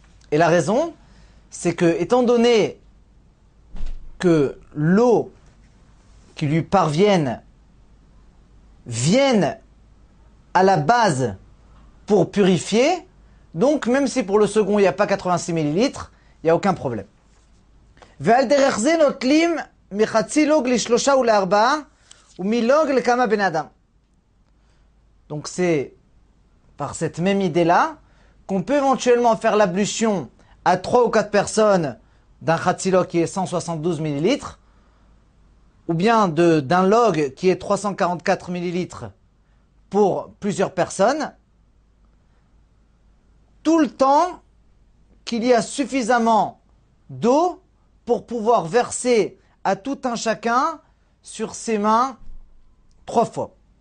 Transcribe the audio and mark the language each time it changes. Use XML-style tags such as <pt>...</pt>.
<fr>Et la raison, c'est que, étant donné que l'eau qui lui parvienne vienne à la base pour purifier, donc même si pour le second il n'y a pas 86 millilitres, il n'y a aucun problème.</fr> <he>ועל דרך זה נוטלים מחצי לוג לשלושה ולארבעה ומלוג לכמה בני אדם.</he> <fr>Donc c'est par cette même idée-là qu'on peut éventuellement faire l'ablution à 3 ou 4 personnes d'un chatzilog qui est 172 millilitres ou bien d'un log qui est 344 millilitres pour plusieurs personnes tout le temps qu'il y a suffisamment d'eau pour pouvoir verser à tout un chacun sur ses mains trois fois.</fr>